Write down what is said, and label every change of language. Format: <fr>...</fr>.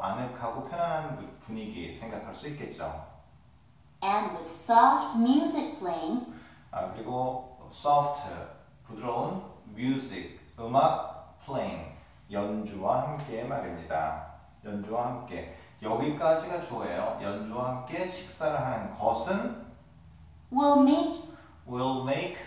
<ko>아늑하고 편안한 분위기 생각할 수 있겠죠.</ko> <en>And with soft music playing.</en> <ko>아, 그리고 soft, 부드러운 music, 음악 playing. 연주와 함께 말입니다. 연주와 함께. 여기까지가 주어예요. 연주와 함께 식사를 하는 것은</ko> <en>will make</en>